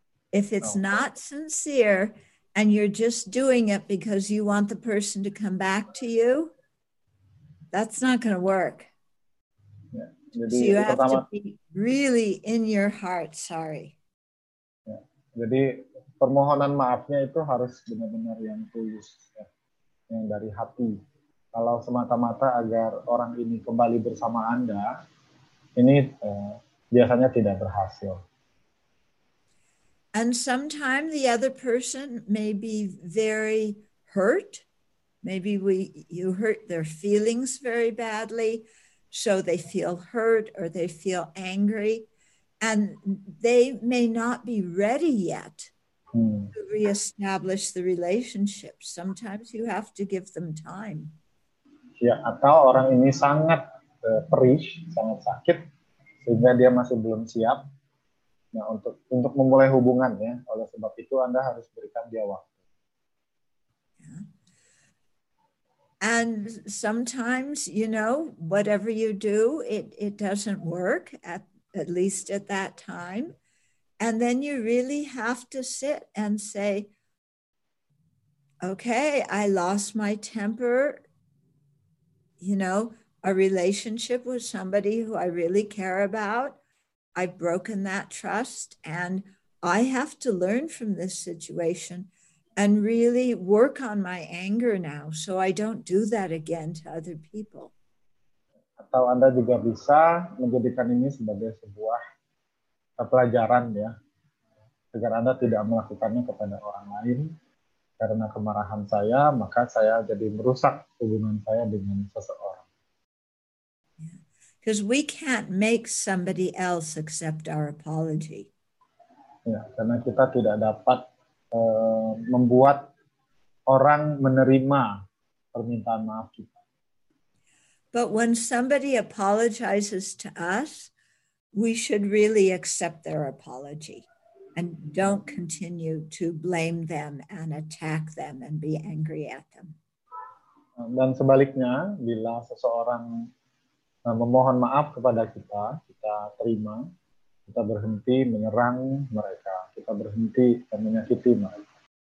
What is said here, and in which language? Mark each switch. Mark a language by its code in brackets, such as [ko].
[en] If it's not sincere and you're just doing it because you want the person to come back to you, that's not going to work. Yeah. So you have to be really in your heart sorry. Yeah. [id] Jadi permohonan maafnya itu harus benar-benar yang tulus, ya. Yang dari hati. Kalau semata-mata agar orang ini kembali bersama Anda, ini biasanya tidak berhasil. [en] And sometimes the other person may be very hurt. Maybe you hurt their feelings very badly, so they feel hurt or they feel angry, and they may not be ready yet to reestablish the relationship. Sometimes you have to give them time. [id] Ya, atau orang ini sangat perih, sangat sakit, sehingga dia masih belum siap. Nah, untuk memulai hubungan ya, oleh sebab itu Anda harus berikan dia waktu. [en] Yeah. And sometimes, you know, whatever you do, it doesn't work at least at that time. And then you really have to sit and say, okay, I lost my temper. You know, a relationship with somebody who I really care about, I've broken that trust, and I have to learn from this situation and really work on my anger now so I don't do that again to other people. [id] Atau Anda juga bisa menjadikan ini sebagai sebuah pelajaran ya, agar Anda tidak melakukannya kepada orang lain karena kemarahan saya, maka saya jadi merusak hubungan saya dengan seseorang. [en] Because we can't make somebody else accept our apology. [id] Ya, karena kita tidak dapat membuat orang menerima permintaan maaf kita. [en] But when somebody apologizes to us, we should really accept their apology and don't continue to blame them and attack them and be angry at them. [id] Dan sebaliknya, bila seseorang memohon maaf kepada kita, kita terima, kita berhenti menyerang mereka, kita berhenti menyakiti mereka.